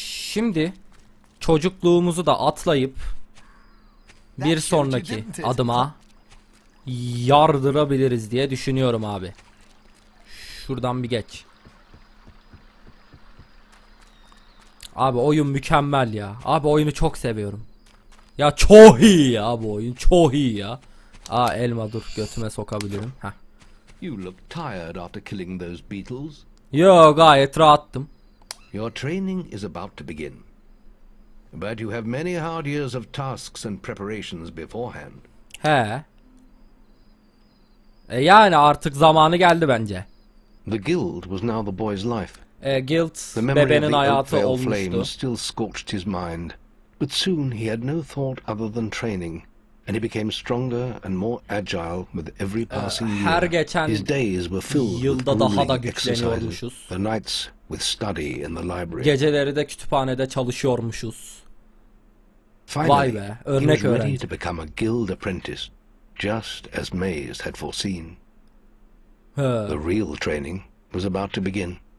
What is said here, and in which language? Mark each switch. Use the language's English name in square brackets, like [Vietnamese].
[Turkish] Şimdi çocukluğumuzu da atlayıp bir sonraki adıma yardırabiliriz diye düşünüyorum abi. Şuradan bir geç. Abi oyun mükemmel ya. Abi oyunu çok seviyorum. Ya çok iyi ya bu oyun. Çok iyi ya. Aa elma dur götüme sokabilirim. Heh. [English] You look tired after killing those beetles. [Turkish] Yo, gayet rahattım. [English] Your training is about to begin. But you have many hard years of tasks and preparations beforehand. He. [Turkish] Yani artık zamanı geldi bence. [English] The guild was now the boy's life. [Turkish] Guild bebenin hayatı olmuştu. [English] Still scorched his mind, but soon he had no thought other than training. And he became stronger and more agile with every passing year. His days were filled with exercises. The nights with study in the library. [Turkish] Geceleri de kütüphanede çalışıyormuşuz. [English] Finally, [Turkish] vay be, örnek [English] he was ready to become a guild apprentice, just as Maze had foreseen. The real training was about to begin.